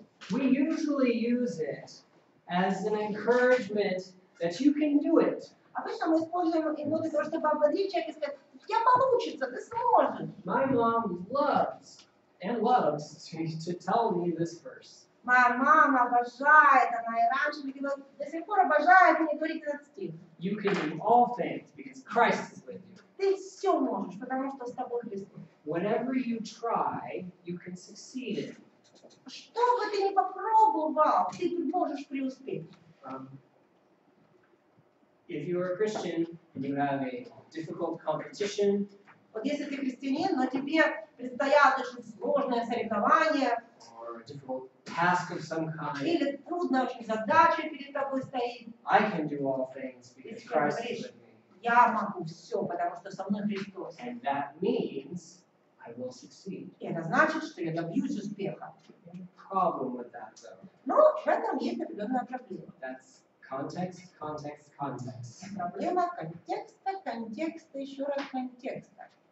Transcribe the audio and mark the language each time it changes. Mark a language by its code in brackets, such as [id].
[en] We usually use it as an encouragement that you can do it. [ru] Обычно мы используем его для того, чтобы ободрить человека и сказать, у тебя получится, ты сможешь. [en] My mom loves to tell me this verse. [ru] Моя мама обожает, она и раньше видела, до сих пор обожает, и не говорит этот стих. [en] You can do all things because Christ is with you. [ru] Ты все можешь, потому что с тобой Христос. [en] Whatever you try, you can succeed in. [ru] Что бы ты ни попробовал, ты можешь преуспеть. [en] If you are a Christian and you have a difficult competition, [ru] вот если ты христианин, но тебе предстоят очень сложные соревнования, [en] task of some kind. [ru] Или трудная очень задача перед тобой стоит. [en] I can do all things because Christ is with me. [ru] Я могу все, потому что со мной Христос. [en] And that means I will succeed. [ru] И это значит, что я добьюсь успеха. [en] Problem with that, though. [ru] Но в этом есть определенная проблема. [en] That's context, context, context. [ru] Проблема контекста, контекста, еще раз контекста.